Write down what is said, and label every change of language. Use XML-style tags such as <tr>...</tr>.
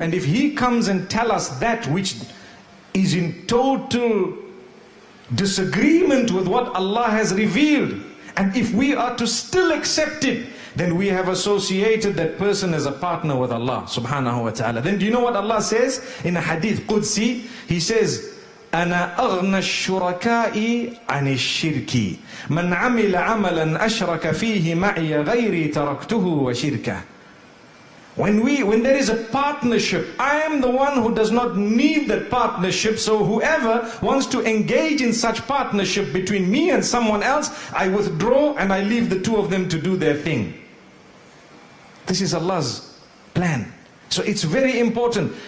<en>And if he comes and tell us that which is in total disagreement with what Allah has revealed, and if we are to still accept it, then we have associated that person as a partner with Allah subhanahu wa ta'ala. Then do you know what Allah says in a hadith Qudsi? He says,</en> <ar>أنا أغنى الشركاء عن الشرك من عمل عملا أشرك فيه معي غيري تركته وشركه.</ar> <en>When there is a partnership, I am the one who does not need that partnership. So whoever wants to engage in such partnership between me and someone else, I withdraw and I leave the two of them to do their thing. This is Allah's plan. So it's very important.</en>